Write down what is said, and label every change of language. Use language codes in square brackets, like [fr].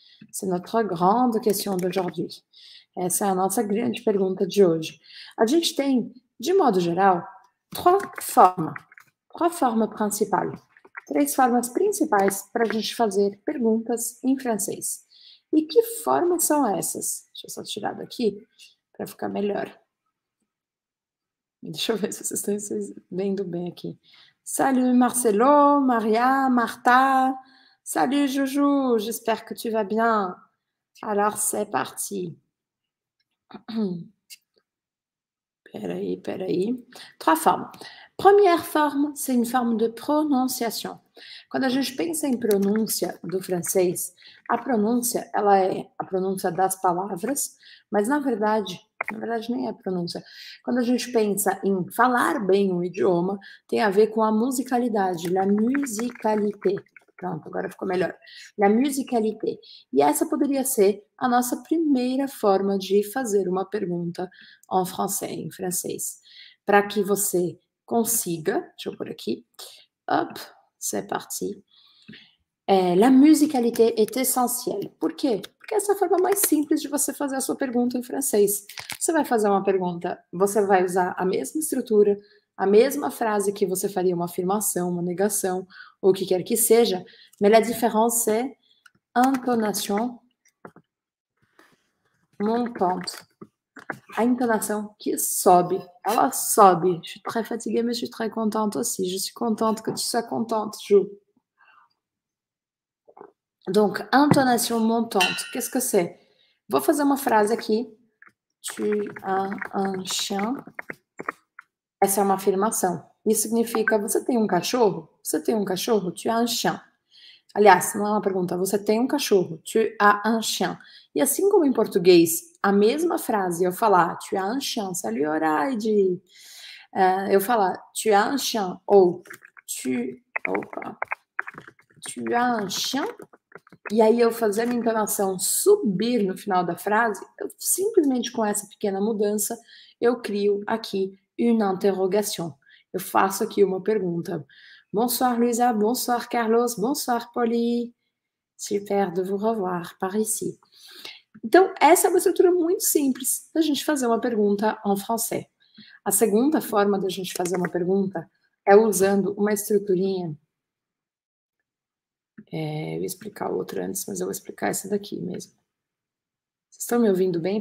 [fr] C'est notre grande question d'aujourd'hui. [pt] Essa é a nossa grande pergunta de hoje. A gente tem, de modo geral, [fr] trois [pt] formas principais, três formas principais para a gente fazer perguntas em francês. E que formas são essas? Deixa eu só tirar daqui para ficar melhor. Deixa eu ver se vocês estão vendo bem aqui. [fr] Salut Marcelo, Maria, Marta. Salut Juju, j'espère que tu vas bien. Alors, c'est parti. [pt] Peraí. [fr] Trois formas. Première forme, c'est une forme de prononciation. [pt] Quando a gente pensa em pronúncia do francês, a pronúncia, ela é a pronúncia das palavras, mas na verdade nem é a pronúncia. Quando a gente pensa em falar bem um idioma, tem a ver com a musicalidade, [fr] la musicalité. [pt] Pronto, agora ficou melhor. [fr] La musicalité. [pt] E essa poderia ser a nossa primeira forma de fazer uma pergunta [fr] en français, [pt] em francês. Para que você consiga, deixa eu pôr aqui. [fr] Hop, c'est parti. La musicalité est essentielle. [pt] Por quê? Porque essa é a forma mais simples de você fazer a sua pergunta em francês. Você vai fazer uma pergunta, você vai usar a mesma estrutura, a mesma frase que você faria uma afirmação, uma negação, ou o que quer que seja, [fr] mais la différence est intonation montante. [pt] A entonação que sobe, ela sobe. [fr] Je suis très fatiguée, mais je suis très contente aussi. Je suis contente que tu sois contente, Ju. Donc, intonation montante, qu'est-ce que c'est? [pt] Vou fazer uma frase aqui. [fr] Tu as un chien. [pt] Essa é uma afirmação. Isso significa você tem um cachorro? Você tem um cachorro? [fr] Tu as un chien. [pt] Aliás, não é uma pergunta. Você tem um cachorro? [fr] Tu as un chien. [pt] E assim como em português, a mesma frase, eu falar [fr] tu as un chien, [pt] salut Horaide. Eu falar [fr] tu as un chien ou tu. [pt] Opa. [fr] Tu as un chien. [pt] E aí eu fazer a minha entonação subir no final da frase, eu simplesmente com essa pequena mudança, eu crio aqui. [fr] Une interrogation. [pt] Eu faço aqui uma pergunta. [fr] Bonsoir, Luisa. Bonsoir, Carlos. Bonsoir, Polly. Super de vous revoir par ici. [pt] Então, essa é uma estrutura muito simples da gente fazer uma pergunta [fr] en français. [pt] A segunda forma da gente fazer uma pergunta é usando uma estruturinha. Eu ia explicar outra antes, mas eu vou explicar essa daqui mesmo. Vocês estão me ouvindo bem?